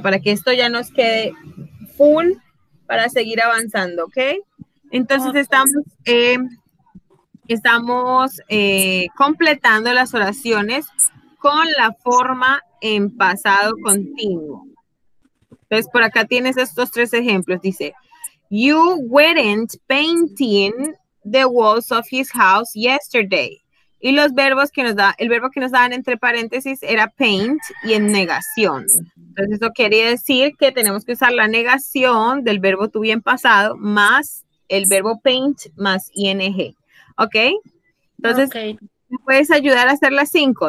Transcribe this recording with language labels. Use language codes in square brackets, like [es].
[es] Para que esto ya nos quede full para seguir avanzando, ¿ok? Entonces estamos completando las oraciones con la forma en pasado continuo. Entonces por acá tienes estos tres ejemplos. Dice, [en] you weren't painting the walls of his house yesterday. [es] Y los verbos que nos da, el verbo que nos dan entre paréntesis era paint y en negación. Entonces, eso quería decir que tenemos que usar la negación del verbo to be en pasado más el verbo paint más ing. ¿Ok? Entonces, okay. ¿Me puedes ayudar a hacer las cinco?